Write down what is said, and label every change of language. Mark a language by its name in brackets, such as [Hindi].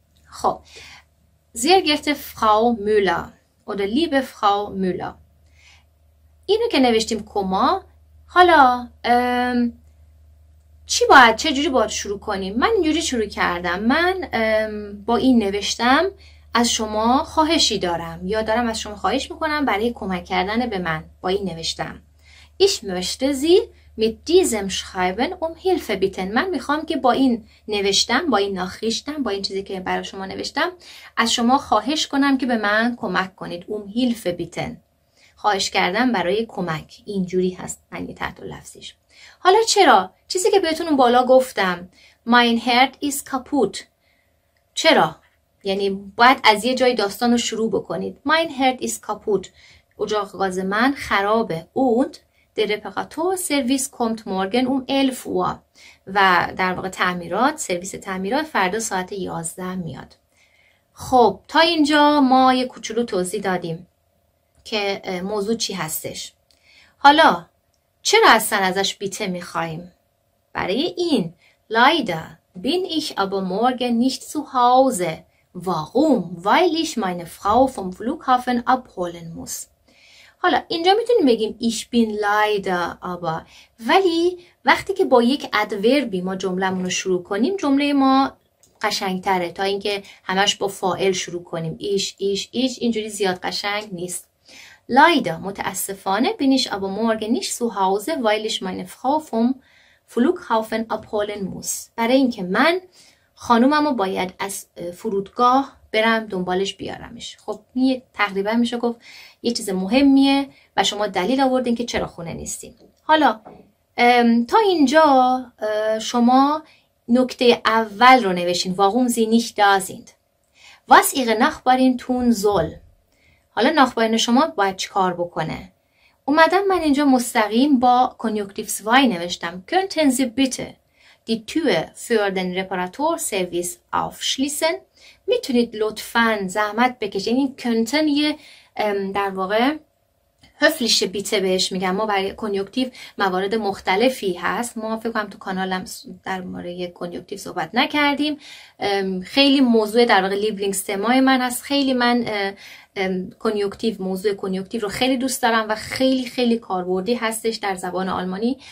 [Persian] خب زیر گرفت فراو مولا، اودا لیب فراو مولا، اینو که نوشتیم کما، حالا چی باید، چجوری باید شروع کنیم؟ من اینجوری شروع کردم، من با این نوشتم از شما خواهشی دارم یا دارم از شما خواهش میکنم برای کمک کردن به من. با این نوشتم. [German] Ich möchte Sie mit diesem Schreiben um Hilfe bitten. [Persian] من میخوام که با این نوشتم، با این ناخیشتم، با این چیزی که برای شما نوشتم، از شما خواهش کنم که به من کمک کنید. [German] Um Hilfe bitten. [Persian] خواهش کردم برای کمک. اینجوری هست معنی تحت لفظیش. حالا چرا؟ چیزی که بهتون بالا گفتم. [German] Mein Herz ist kaputt. [Persian] چرا؟ یعنی باید از یه جای داستان رو شروع بکنید. [German] Mein Herz ist kaputt. [Persian] اجاق گاز من خرابه. [German] Und der Reparatur Service kommt morgen um 11 Uhr. [Persian] و در واقع تعمیرات، سرویس تعمیرات فردا ساعت 11 میاد. خب تا اینجا ما یه کوچولو توضیح دادیم که موضوع چی هستش. حالا چرا اصلا ازش بیته میخواییم؟ برای این [German] leider bin ich aber morgen nicht zu Hause. Warum? Weil ich meine Frau vom Flughafen abholen muss. [Persian] حالا اینجا میتونیم بگیم [German] ich bin leider aber. [Persian] ولی وقتی که با یک ادوربی ما جملمون رو شروع کنیم جمله ما قشنگتره تا اینکه همش با فاعل شروع کنیم. ich اینجوری زیاد قشنگ نیست. [German] Leider, متاسفانه bin ich aber morgen nicht zu Hause, weil ich meine Frau vom Flughafen abholen muss. [Persian] برای اینکه من خانوممو باید از فرودگاه برم دنبالش بیارمش. خب یه تقریبا میشه گفت یه چیز مهمیه و شما دلیل آوردین که چرا خونه نیستین. حالا تا اینجا شما نکته اول رو نوشین. [German] Warum sie nicht da sind. Was ihre Nachbarin tun soll. [Persian] حالا ناخبارین شما باید چی کار بکنه؟ اومدم من اینجا مستقیم با کنیوکتیف سوای نوشتم. [German] Könnten Sie bitte die Tür für den Reparaturservice aufschließen؟ [Persian] میتونید لطفاً زحمت بکشید. این könnten یه در واقع هفلیش بیته بهش میگم. ما برای کنیوکتیف موارد مختلفی هست. ما فکر کنم تو کانالم در مورد کنیوکتیف صحبت نکردیم. خیلی موضوع در واقع لیبلینگ سمای من هست. خیلی من کنیوکتیف، موضوع کنیوکتیف رو خیلی دوست دارم و خیلی خیلی کاربردی هستش در زبان آلمانی.